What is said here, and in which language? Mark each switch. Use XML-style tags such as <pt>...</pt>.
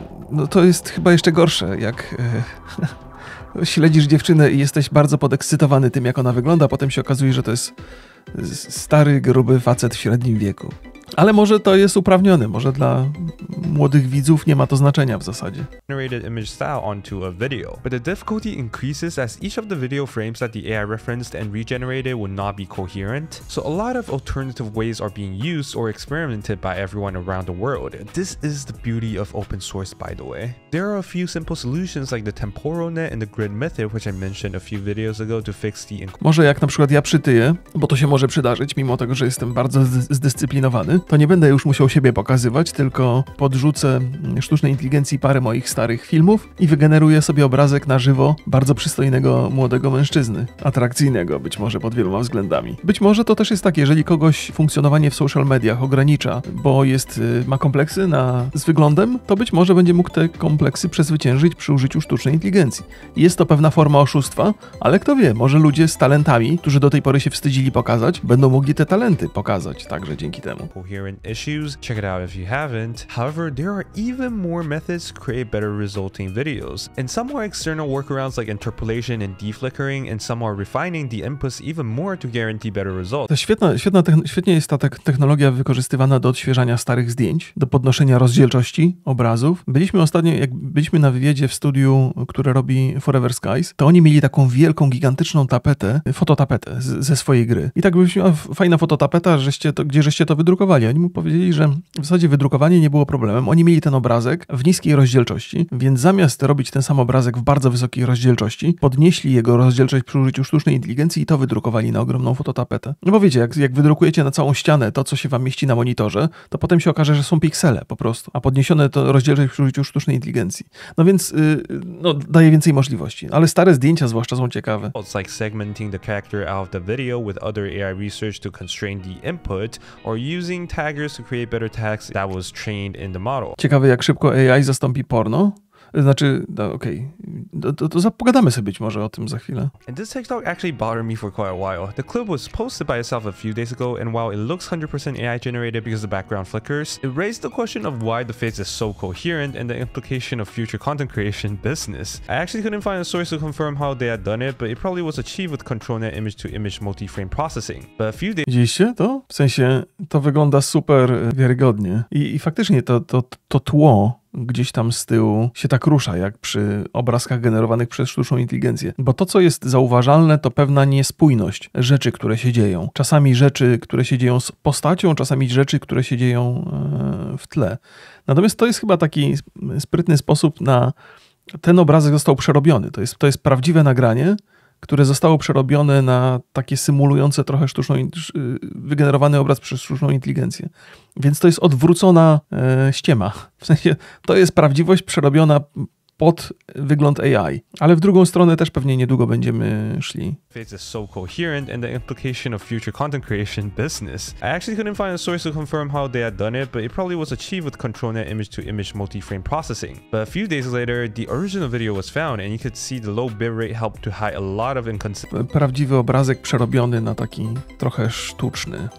<pl>No to jest chyba jeszcze gorsze, jak śledzisz dziewczynę i jesteś bardzo podekscytowany tym, jak ona wygląda, potem się okazuje, że to jest stary, gruby facet w średnim wieku. Ale może to jest uprawnione, może dla młodych widzów nie ma to znaczenia w zasadzie.</pl> <en>Generated image style onto a video, but the difficulty increases as each of the video frames that the AI referenced and regenerated would not be coherent. So a lot of alternative ways are being used or experimented by everyone around the world. This is the beauty of open source, by the way. There are a few simple solutions like the temporal net and the grid method, which I mentioned a few videos ago to fix the.</en> <pl>Może jak na przykład ja przytyję, bo to się może przydarzyć, mimo tego, że jestem bardzo zdyscyplinowany. To nie będę już musiał siebie pokazywać, tylko podrzucę sztucznej inteligencji parę moich starych filmów i wygeneruję sobie obrazek na żywo bardzo przystojnego młodego mężczyzny. Atrakcyjnego być może pod wieloma względami. Być może to też jest tak, jeżeli kogoś funkcjonowanie w social mediach ogranicza, bo ma kompleksy z wyglądem, to być może będzie mógł te kompleksy przezwyciężyć przy użyciu sztucznej inteligencji. Jest to pewna forma oszustwa, ale kto wie, może ludzie z talentami, którzy do tej pory się wstydzili pokazać, będą mogli te talenty pokazać także dzięki temu.</pl> <en>Coherent issues, check it out if you haven't. However, there are even more methods to create better resulting videos. And some are external workarounds like interpolation and deflickering, and some are refining the inputs even more to guarantee better results.</en> <pl>Świetnie jest ta technologia wykorzystywana do odświeżania starych zdjęć, do podnoszenia rozdzielczości obrazów. Byliśmy ostatnio, jak byliśmy na wywiadzie w studiu, które robi Forever Skies, to oni mieli taką wielką, gigantyczną tapetę, fototapetę ze swojej gry. I tak byliśmy, fajna fototapeta, żeście to wydrukowali. Oni mu powiedzieli, że w zasadzie wydrukowanie nie było problemem. Oni mieli ten obrazek w niskiej rozdzielczości, więc zamiast robić ten sam obrazek w bardzo wysokiej rozdzielczości, podnieśli jego rozdzielczość przy użyciu sztucznej inteligencji i to wydrukowali na ogromną fototapetę. No bo wiecie, jak wydrukujecie na całą ścianę to, co się wam mieści na monitorze, to potem się okaże, że są piksele po prostu, a podniesione to rozdzielczość przy użyciu sztucznej inteligencji. No więc daje więcej możliwości. Ale stare zdjęcia zwłaszcza są ciekawe.</pl> <en>It's like segmenting the character out of the video with other AI research to constrain the input, or using taggers to create better text that was trained in the model.</en> <pl>Ciekawe, jak szybko AI zastąpi porno. Znaczy, no, okej, to zapogadamy sobie być może o tym za chwilę.</pl> <en>And this TikTok actually bothered me for quite a while. The clip was posted by itself a few days ago, and while it looks 100% AI generated because the background flickers, it raised the question of why the face is so coherent and the implication of future content creation business. I actually couldn't find a source to confirm how they had done it, but it probably was achieved with ControlNet image-to-image multi-frame processing. But a few days...</en> <pl>Widzieliście to? W sensie, to wygląda super wiarygodnie. I faktycznie to tło gdzieś tam z tyłu się tak rusza, jak przy obrazkach generowanych przez sztuczną inteligencję. Bo to, co jest zauważalne, to pewna niespójność rzeczy, które się dzieją. Czasami rzeczy, które się dzieją z postacią, czasami rzeczy, które się dzieją w tle. Natomiast to jest chyba taki sprytny sposób na... Ten obrazek został przerobiony. To jest prawdziwe nagranie, które zostało przerobione na takie symulujące trochę sztuczną, wygenerowany obraz przez sztuczną inteligencję. Więc to jest odwrócona ściema. W sensie to jest prawdziwość przerobiona pod wygląd AI. Ale w drugą stronę też pewnie niedługo będziemy szli.</pl> <en>Face is so coherent and the implication of future content creation business. I actually couldn't find a source to confirm how they had done it, but it probably was achieved with ControlNet image-to-image multi-frame processing. But a few days later, the original video was found and you could see the low bitrate helped to hide a lot of inconsistencies.</en> <pl>Prawdziwy obrazek przerobiony na taki trochę sztuczny.</pl>